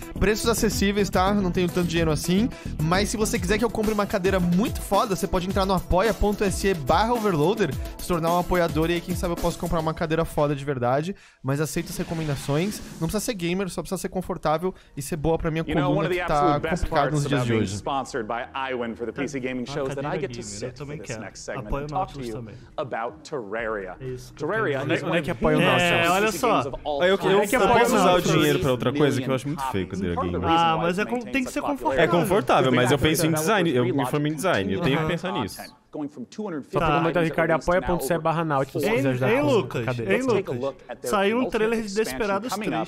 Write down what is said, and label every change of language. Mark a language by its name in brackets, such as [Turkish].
[Portuguese] Preços acessíveis, tá? Não tenho tanto dinheiro assim. Mas se você quiser que eu compre uma cadeira muito foda, você pode entrar no apoia.se/overloader, se tornar um apoiador e aí, quem sabe, eu posso comprar uma cadeira foda de verdade. Mas aceito as recomendações. Não precisa ser gamer, só precisa ser confortável e ser boa pra minha coluna, que tá complicada nos dias de hoje. [English] Sponsored by Iwin for the PC Gaming Show, that I get to sit for this next segment and talk to you about Terraria. Terraria is one of the most successful games of all time. [Portuguese] Eu posso usar o dinheiro pra outra coisa que eu acho muito feio quando eu game. Ah, mas tem que ser confortável. É confortável, mas eu penso em design, eu me formo em design, eu tenho que pensar nisso. Só pra comentar, Ricardo, apoia.se/nautilus, se quiser ajudar. Ei, Lucas, saiu um trailer de Desperados 3.